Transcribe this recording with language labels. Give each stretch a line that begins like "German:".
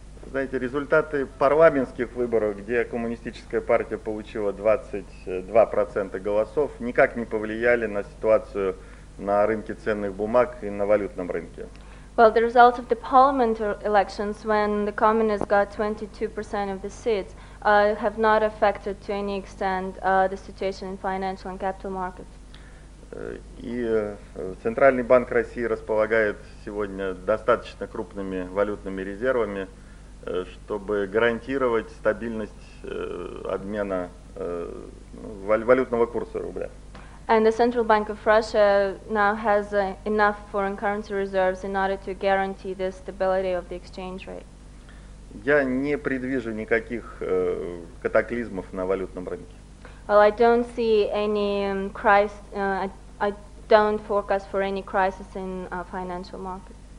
Russian: Знаете, результаты парламентских выборов, где коммунистическая партия получила 22% голосов, никак не повлияли на ситуацию на рынке ценных бумаг и на валютном рынке.
English: Well, the results of the parliamentary elections, when the communists got 22% of the seats, have not affected to any extent the situation in financial and capital markets.
Russian: И Центральный банк России располагает сегодня достаточно крупными валютными резервами, чтобы гарантировать стабильность обмена валютного курса рубля.
English: And the Central Bank of Russia now has enough foreign currency reserves in order to guarantee the stability of the exchange rate.
Russian: Я не предвижу никаких катаклизмов на валютном рынке.
English: Well, I don't see any I don't forecast for any crisis in financial markets.